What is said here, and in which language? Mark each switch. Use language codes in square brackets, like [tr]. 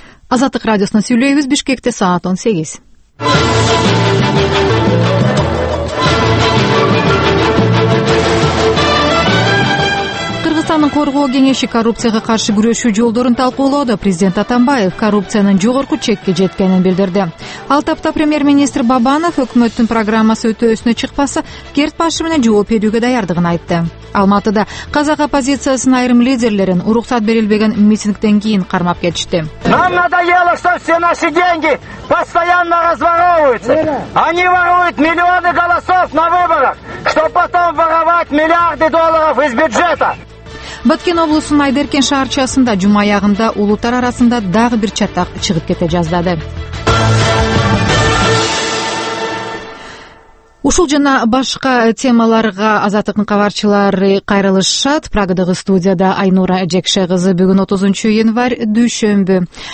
[ky] Азаттык радиосуна сүйлөйбүз. Бишкекте саат 18. Кыргызстандын коргоо кеңеши коррупцияга каршы күрөшүү жолдорун талкуулоодо президент Атамбаев коррупциянын жогорку чекке жеткенин билдирди. Ал тапта премьер-министр Бабанов өкмөттүн программасы өтөөсүнө чыкпаса, керт башы менен жооп берүүгө даярдыгын айтты. Алматыда казак оппозициясынын айрым лидерлерин уруксат берилбеген митингден кийин кармап кетишти. [ru] Нам надоело, что все наши деньги постоянно разворовываются. Они воруют миллионы голосов на выборах, что потом воровать миллиарды долларов из бюджета. [ky] Баткен облусунун Айдеркен шаарчасында жума аягында улуттар арасында дагы бир чатак чыгып кете жаздады. Ушул жана башка темаларга азаттыктын кабарчылары кайрылышат. Прагадагы студияда Айнура Жекше кызы. Бүгүн 30-январь, дүйшөмбү.